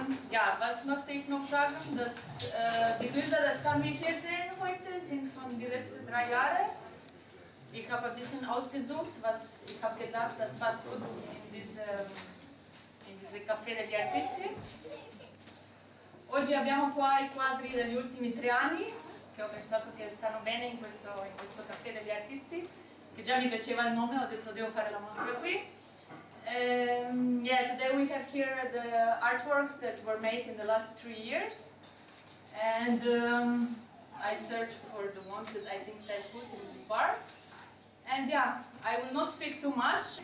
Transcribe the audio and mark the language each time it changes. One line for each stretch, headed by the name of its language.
German: Ja, was möchte ich noch sagen? Dass, die Bilder, das kann man hier sehen heute, sind von den letzten 3 Jahren. Ich habe ein bisschen ausgesucht, was ich habe gedacht, das passt gut in diese Café degli Artisti.
Italian: Oggi abbiamo qua i quadri degli ultimi 3 anni, che ho pensato che stanno bene in questo Café degli Artisti, che già mi piaceva il nome, ho detto devo fare la mostra qui.
English: Yeah, today we have here the artworks that were made in the last 3 years, and I searched for the ones that I think that's good in this bar. And yeah, I will not speak too much.